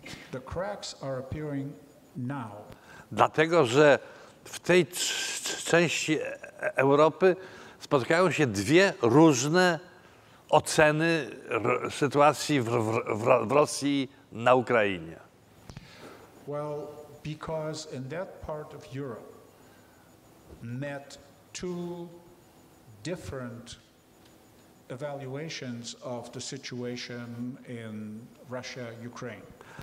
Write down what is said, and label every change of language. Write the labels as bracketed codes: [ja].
[en] The cracks are appearing now. [pl] Dlatego, że w tej części Europy spotykają się dwie różne oceny sytuacji w Rosji na Ukrainie. [en] Well, because in that part of Europe met two different evaluations of the situation in Russia, Ukraine.